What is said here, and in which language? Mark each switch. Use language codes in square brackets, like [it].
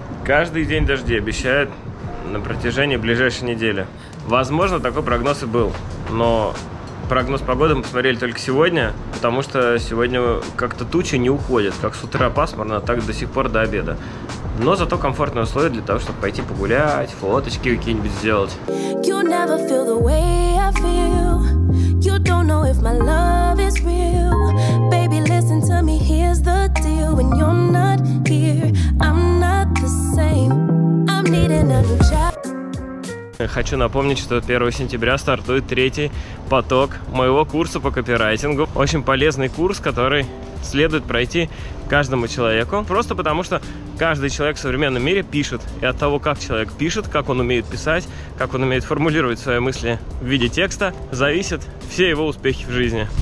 [ru] Каждый день дожди обещают на протяжении ближайшей недели. Возможно, такой прогноз и был, но прогноз погоды мы посмотрели только сегодня, потому что сегодня как-то тучи не уходят, как с утра пасмурно, так до сих пор до обеда. Но зато комфортные условия для того, чтобы пойти погулять, фоточки какие-нибудь сделать. [en] You never feel the way I feel. You don't know if my love is real. Baby, listen to me, here's the deal. When you're not here, I'm not the same. I'm needing a new job. [ru] Хочу напомнить, что 1 сентября стартует третий поток моего курса по копирайтингу. Очень полезный курс, который следует пройти каждому человеку. Просто потому, что каждый человек в современном мире пишет. И от того, как человек пишет, как он умеет писать, как он умеет формулировать свои мысли в виде текста, зависят все его успехи в жизни.